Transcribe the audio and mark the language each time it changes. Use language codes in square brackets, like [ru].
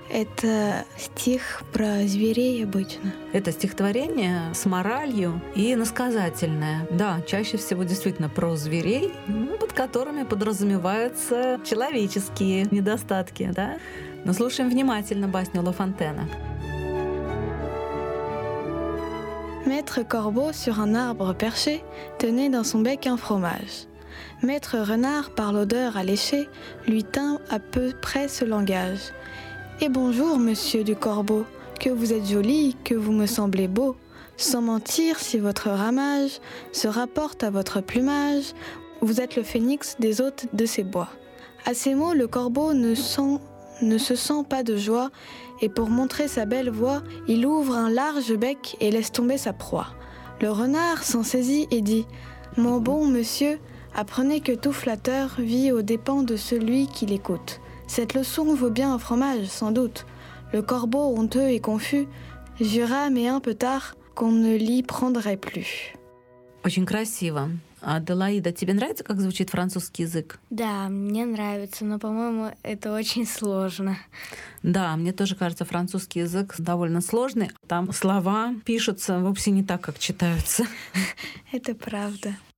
[ru] Это стих про зверей обычно. Это стихотворение с моралью и насказательное. Да, чаще всего действительно про зверей, под которыми подразумеваются человеческие недостатки, да? Но слушаем внимательно басню «La Fontaine». [fr] Maître corbeau sur un arbre perché tenait dans son bec un fromage. Maître renard, par l'odeur alléché, lui tint à peu près ce langage. Et bonjour, monsieur du corbeau, que vous êtes joli, que vous me semblez beau. Sans mentir, si votre ramage se rapporte à votre plumage, vous êtes le phénix des hôtes de ces bois. À ces mots, le corbeau ne se sent pas de joie. Et pour montrer sa belle voix, il ouvre un large bec et laisse tomber sa proie. Le renard s'en saisit et dit « Mon bon monsieur, apprenez que tout flatteur vit aux dépens de celui qui l'écoute. Cette leçon vaut bien un fromage, sans doute. Le corbeau, honteux et confus, jura, mais un peu tard, qu'on ne l'y prendrait plus. » [ru] Очень красиво. Аделаида, тебе нравится, как звучит французский язык? Да, мне нравится, но, по-моему, это очень сложно. Да, мне тоже кажется, французский язык довольно сложный. Там слова пишутся вовсе не так, как читаются. Это правда.